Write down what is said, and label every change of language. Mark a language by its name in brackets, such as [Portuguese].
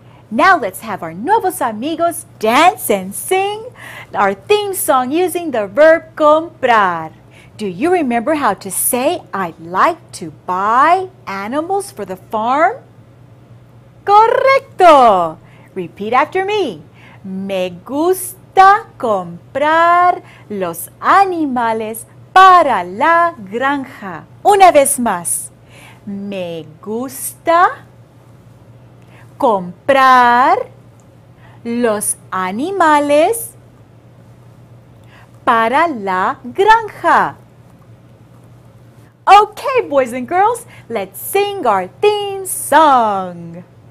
[English] Now let's have our Nuevos Amigos dance and sing our theme song using the verb comprar. Do you remember how to say, I'd like to buy animals for the farm? [Spanish] Correcto. [English] Repeat after me. [Spanish] Me gusta comprar los animales para la granja. Una vez más. Me gusta comprar los animales para la granja. [English] Okay, boys and girls, let's sing our theme song.